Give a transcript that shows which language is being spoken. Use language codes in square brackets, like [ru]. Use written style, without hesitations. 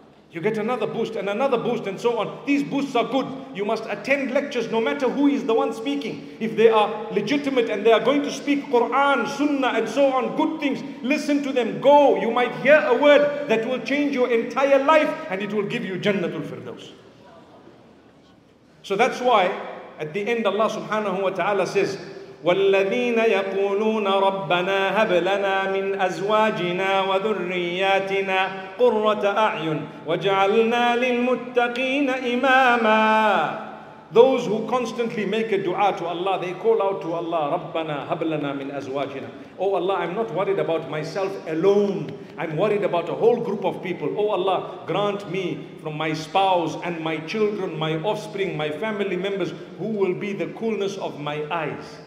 [en] You get another boost and another boost and so on. These boosts are good. You must attend lectures no matter who is the one speaking. If they are legitimate and they are going to speak Quran, Sunnah and so on, good things, listen to them. Go. You might hear a word that will change your entire life and it will give you Jannatul Firdaus. [ar] So that's why at the end Allah subhanahu wa ta'ala says, وَالَّذِينَ يَقُولُونَ رَبَّنَا هَبْ لَنَا مِنْ أَزْوَاجِنَا وَذُرِّيَّاتِنَا قُرَّةَ أَعْيُنٍ وَجَعَلْنَا لِلْمُتَّقِينَ إِمَامًا. [en] Those who constantly make a dua to Allah, they call out to Allah, رَبَّنَا هَبْ لَنَا مِنْ أَزْوَاجِنَا. Oh Allah, I'm not worried about myself alone. I'm worried about a whole group of people. Oh Allah, grant me from my spouse and my children, my offspring, my family members, who will be the coolness of my eyes.